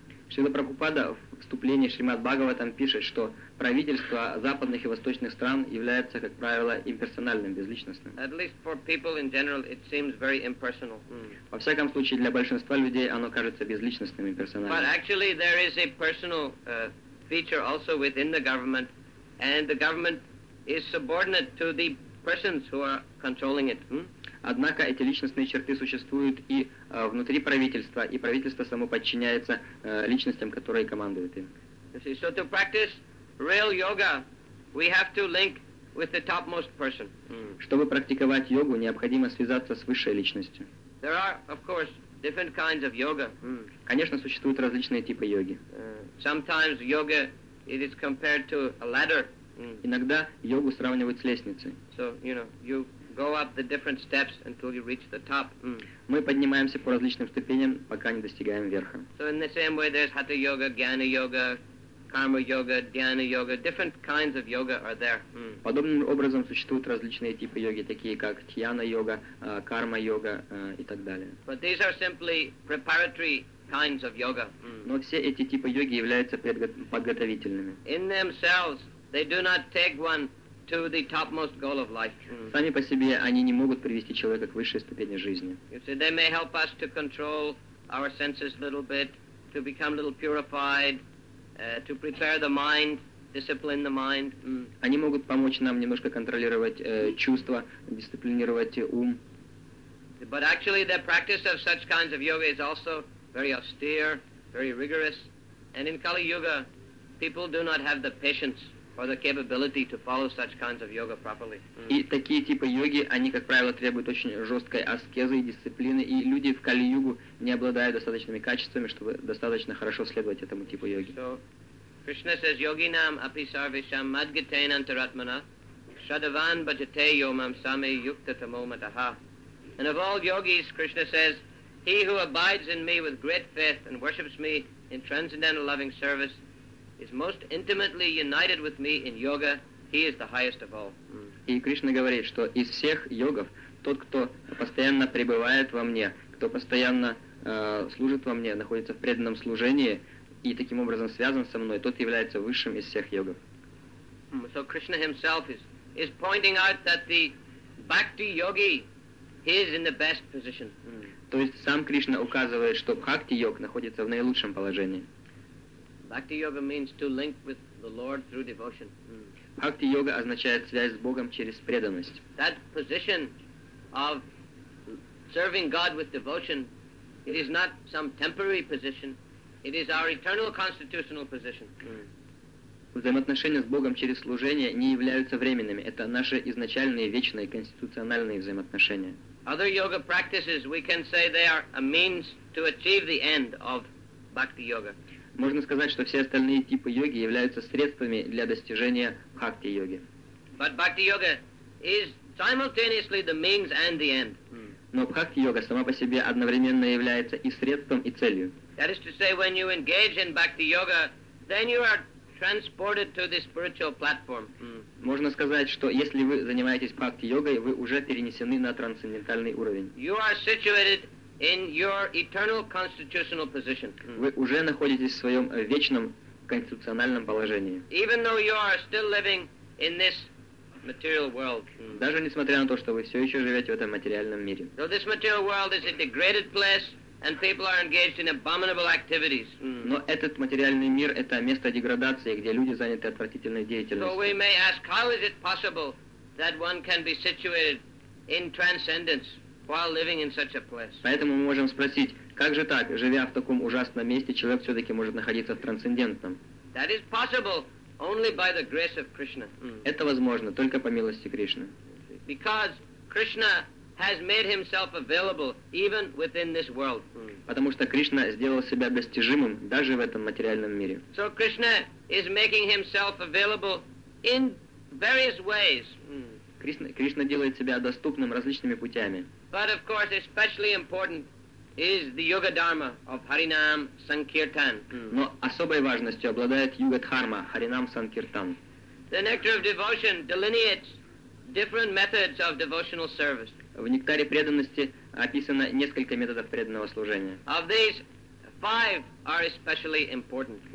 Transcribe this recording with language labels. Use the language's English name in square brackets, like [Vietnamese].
[Russian] Шрила Прабхупада в вступлении Шримад Бхагаватам пишет, что правительство западных и восточных стран является, как правило, имперсональным, безличностным. [English] At least for people in general, it seems very impersonal. [Russian] Во всяком случае, для большинства людей оно кажется безличностным, имперсональным. [English] But actually, there is a personal feature also within the government, and the government is subordinate to the persons who are controlling it. [Russian] Однако эти личностные черты существуют и внутри правительства, и правительство само подчиняется личностям, которые командуют им. [English] So to practice real yoga, we have to link with the topmost person. [Russian] Чтобы практиковать йогу, необходимо связаться с высшей личностью. [English] There are, of course, different kinds of yoga. [Russian] Конечно, существуют различные типы йоги. [English] Sometimes yoga it is compared to a ladder. [Russian] Иногда йогу сравнивают с лестницей. [English] So, you know, you go up the different steps until you reach the top. [Russian] Мы поднимаемся по различным ступеням, пока не достигаем верха. [English] So in the same way, there's hatha yoga, jnana yoga, karma yoga, dhyana yoga. Different kinds of yoga are there. [Russian] Подобным образом существуют различные типы йоги, такие как тхьяна йога, карма йога и так далее. [English] But these are simply preparatory kinds of yoga. [Russian] Но все эти типы йоги являются подготовительными. [English] In themselves, they do not take one to the topmost goal of life. [Russian] Сами по себе они не могут привести человека к высшей ступени жизни. [English] You see, they may help us to control our senses a little bit, to become a little purified, to prepare the mind, discipline the mind. [Russian] Они могут помочь нам немножко контролировать чувства, дисциплинировать ум. [English] But actually, the practice of such kinds of yoga is also very austere, very rigorous, and in Kali Yuga, people do not have the patience or the capability to follow such kinds of yoga properly. [Russian] И такие типы йоги, они, как правило, требуют очень жесткой аскезы и дисциплины, и люди в Кали-Югу не обладают достаточными качествами, чтобы достаточно хорошо следовать этому типу йоги. [English] So, Krishna says, [Sanskrit] Yoginam api sarvisham madgitain antaratmana shradavan bhajate yomam same yukta tamo mataha. [English] And of all yogis, Krishna says, he who abides in me with great faith and worships me in transcendental loving service is most intimately united with me in yoga, he is the highest of all. [Russian] И Кришна говорит, что из всех йогов тот, кто постоянно пребывает во мне, кто постоянно служит во мне, находится в преданном служении и таким образом связан со мной, тот является высшим из всех йогов. [English] So Krishna himself is pointing out that the bhakti yogi, he is in the best position. [Russian] То есть сам Кришна указывает, что бхакти йог находится в наилучшем положении. [English] Bhakti yoga means to link with the Lord through devotion. [Russian] Bhakti yoga означает связь с Богом через преданность. [English] That position of serving God with devotion, it is not some temporary position, it is our eternal constitutional position. [Russian] Взаимоотношения с Богом через служение не являются временными, это наши изначальные вечные конституциональные взаимоотношения. [English] Other yoga practices, we can say they are a means to achieve the end of bhakti yoga. [Russian] Можно сказать, что все остальные типы йоги являются средствами для достижения бхакти-йоги. [English] But bhakti-yoga is simultaneously the means and the end. [Russian] Но бхакти-йога сама по себе одновременно является и средством, и целью. [English] That is to say, when you engage in bhakti-yoga, then you are transported to the spiritual platform. [Russian] Можно сказать, что если вы занимаетесь бхакти-йогой, вы уже перенесены на трансцендентальный уровень. [English] You are situated in your eternal constitutional position. [Russian] Вы уже находитесь в своем вечном конституциональном положении. [English] Even though you are still living in this material world. [Russian] Даже несмотря на то, что вы все еще живете в этом материальном мире. [English] So this material world is a degraded place, and people are engaged in abominable activities. [Russian] Но этот материальный мир – это место деградации, где люди заняты отвратительной деятельностью. [English] So we may ask, how is it possible that one can be situated in transcendence while living in such a place? [Russian] Поэтому мы можем спросить, как же так, живя в таком ужасном месте, человек все-таки может находиться в трансцендентном? [English] That is possible only by the grace of Krishna. [Russian] Это возможно только по милости Кришны. [English] Because Krishna has made himself available even within this world. [Russian] Потому что Кришна сделал себя достижимым даже в этом материальном мире. [English] So Krishna is making himself available in various ways. [Russian] Кришна делает себя доступным различными путями. [English] But of course, especially important is the Yuga Dharma of Harinam Sankirtan. [Russian] Но особой важностью обладает Юга Дхарма Харинам Санкиртан. [English] The Nectar of Devotion delineates different methods of devotional service. [Russian] В Нектаре преданности описано несколько методов преданного служения. [English] Of these, five are especially important.